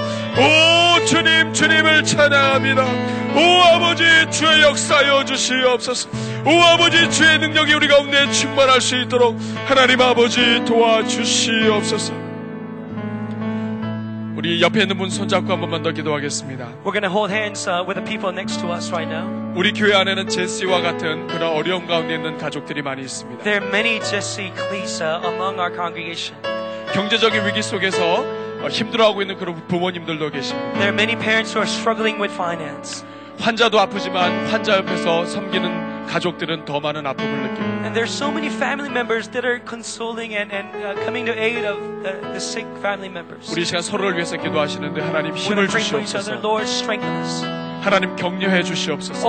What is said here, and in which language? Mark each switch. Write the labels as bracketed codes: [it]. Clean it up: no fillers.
[ko] 오 주님 주님을 찬양합니다. 오 아버지 주의 역사여 주시옵소서. 오 아버지 주의 능력이 우리 가운데 충만할 수 있도록 하나님 아버지 도와주시옵소서. 우리 옆에 있는 분 손잡고 한 번만 더 기도하겠습니다. [en] We're going to hold hands with the people next to us right now. [ko] 우리 교회 안에는 제시와 같은 그런 어려운 가운데 있는 가족들이 많이 있습니다. [en] There are many Jesse Cleese among our congregation. [ko] 경제적인 위기 속에서 힘들어하고 있는 그런 부모님들도 계십니다. [en] There are many parents who are struggling with finance. [ko] 환자도 아프지만 환자 옆에서 섬기는 가족들은 더 많은 아픔을 느끼고. [en] And there are so many family members that are consoling and coming to aid of the sick family members. [ko] 우리 시간 서로를 위해서 기도하시는데 하나님 힘을 주시옵소서. [en] Lord, strengthen us. [ko] 하나님 격려해 주시옵소서.